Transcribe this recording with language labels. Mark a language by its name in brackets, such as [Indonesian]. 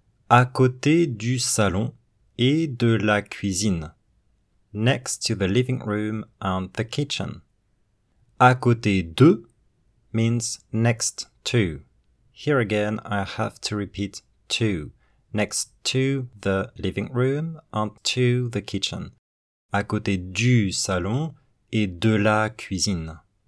[French] À côté du salon et de la cuisine. [English] Next to the living room and the kitchen. À côté de means next to. Here again, I have to repeat to. Next to the living room and to the kitchen. [French] À côté du salon et de la cuisine.